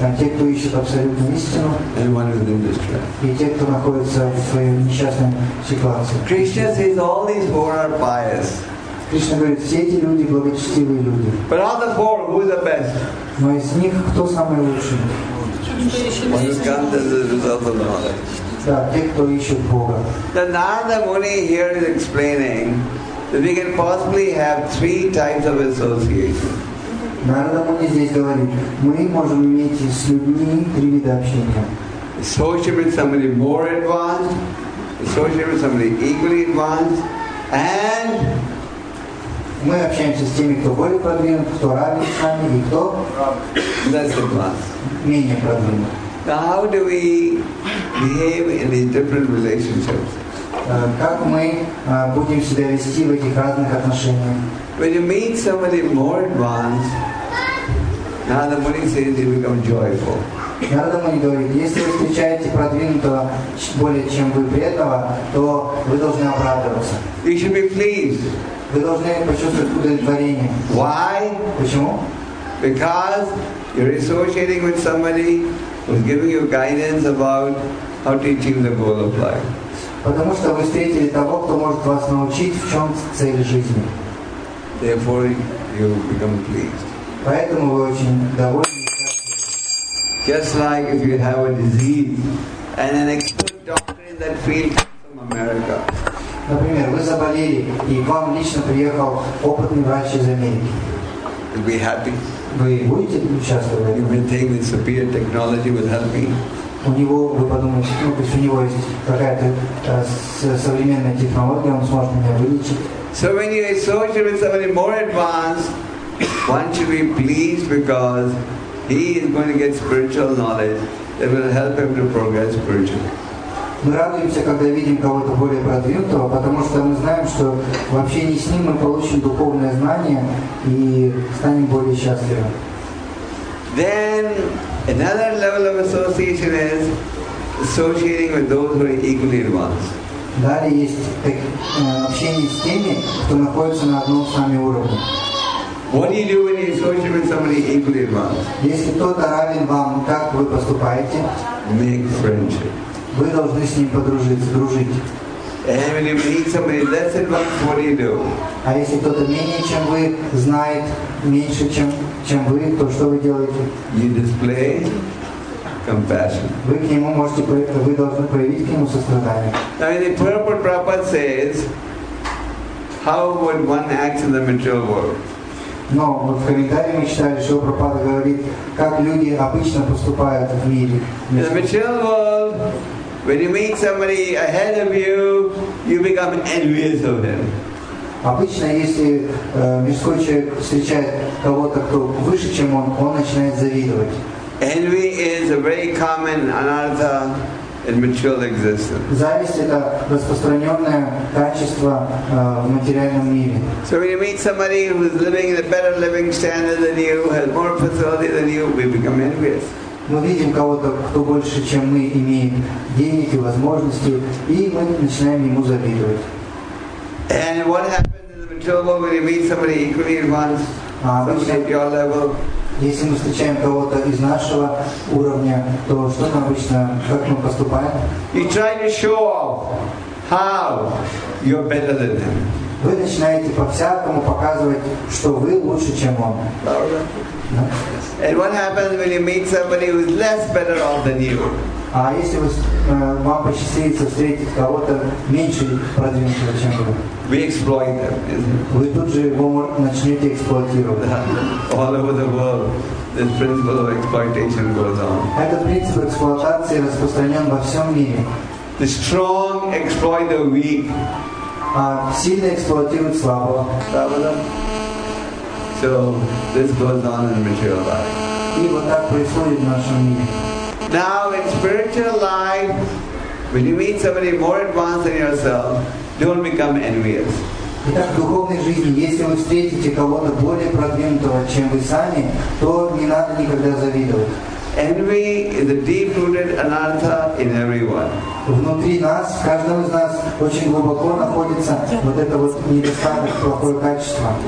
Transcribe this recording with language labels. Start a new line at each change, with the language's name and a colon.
Russian: Те, кто ищет абсолютную истину.
English: And one with industry.
Russian: И те, кто находится в своей несчастной ситуации.
English: Krishna says all these four are pious.
Russian: Кришна говорит, все эти люди благочестивые люди.
English: But out of the four, who is the best?
Russian: Но из них кто самый лучший?
English: One who comes as a result of knowledge.
Russian: Да, те, кто ищет Бога.
English: The Narada Muni here is explaining that we can possibly have three types of association.
Russian: Narada Muni здесь говорит, мы можем иметь с людьми три вида общения.
English: Associate with somebody more advanced, associate with somebody equally advanced, and
Russian: мы общаемся с теми, кто более продвинут, кто равен с нами, и кто
English: less advanced.
Russian: Менее продвинут.
English: Now how do we behave in these different relationships?
Russian: Как мы будем себя вести в этих разных отношениях?
English: When you meet somebody more advanced, Narada Muni says you become joyful.
Russian: Narada Muni говорит, если вы встречаете продвинутого более чем вы преданного, то вы должны обрадоваться.
English: You should be pleased.
Russian: Вы должны почувствовать удовлетворение.
English: Why?
Russian: Почему?
English: Because you're associating with somebody who's giving you guidance about how to achieve the goal of life.
Russian: Потому что вы встретили того, кто может вас научить, в чем цель жизни.
English: Therefore, you become pleased.
Russian: Поэтому вы очень довольны.
English: Just like if you have a disease and an expert doctor in that field comes from America.
Russian: Например, вы заболели, и к вам лично приехал опытный врач из Америки.
English: Be happy.
Russian: Вы будете участвовать?
English: You will think that superior technology will help me.
Russian: У него, вы подумаете, ну, то есть у него есть какая-то современная технология, он сможет меня вылечить.
English: So when you associate with somebody more advanced, one should be pleased because he is going to get spiritual knowledge that will help him to progress spiritually.
Russian: Мы радуемся, когда видим кого-то более продвинутого, потому что мы знаем, что в общении с ним мы получим духовное знание и станем более счастливы.
English: Then another level of association is associating with those who are equally advanced.
Russian: Далее есть общение с теми, кто находится на одном с нами уровне.
English: What do you do when you associate with somebody equally advanced?
Russian: Если кто-то равен вам, как вы поступаете?
English: Make friendship.
Russian: Вы должны с ним подружиться, дружить.
English: And when you meet somebody less advanced, what do you do?
Russian: А если кто-то менее, чем вы, знает меньше, чем вы, то что вы делаете?
English: You display compassion.
Russian: Вы к нему можете, вы должны проявить к нему сострадание.
English: Now the Purport Prabhupada says, how would one act in the material world?
Russian: Но вот в комментарии мы читали, что Прабхупада говорит, как люди обычно поступают в мире.
English: In the material world, when you meet somebody ahead of you, you become envious of them.
Russian: Обычно, если мирской человек встречает кого-то, кто выше, чем он начинает завидовать.
English: Envy is a very common anartha in material existence.
Russian: Зависть — это распространенное качество в материальном мире.
English: So when you meet somebody who is living in a better living standard than you, has more facility than you, we become envious.
Russian: Мы видим кого-то, кто больше, чем мы, имеет денег и возможностей, и мы начинаем ему завидовать.
English: And what happens in the material world when you meet somebody equally advanced, somebody at your level?
Russian: Если мы встречаем кого-то из нашего уровня, то что мы обычно, как мы поступаем?
English: You try to show off how you're better than them.
Russian: Вы начинаете по-всякому показывать, что вы лучше, чем он.
English: And what happens when you meet somebody who is less better off than you?
Russian: А если вам посчастливится встретить кого-то меньше продвинутого, чем вы?
English: We exploit them, isn't it?
Russian: Вы тут же его начнете эксплуатировать.
English: All over the world, this principle of exploitation goes on.
Russian: Этот принцип эксплуатации распространен во всем мире.
English: The strong exploit the weak.
Russian: Сильно эксплуатируют слабого.
English: So this goes on in material life.
Russian: И вот так происходит в нашем мире.
English: Now in spiritual life, when you meet somebody more advanced than yourself, don't become envious.
Russian: Итак, в духовной жизни, если вы встретите кого-то более продвинутого, чем вы сами, то не надо никогда завидовать.
English: Envy is a deep-rooted anartha in everyone.
Russian: Внутри нас, в каждом из нас, очень глубоко находится вот это вот недостаток, плохое качество.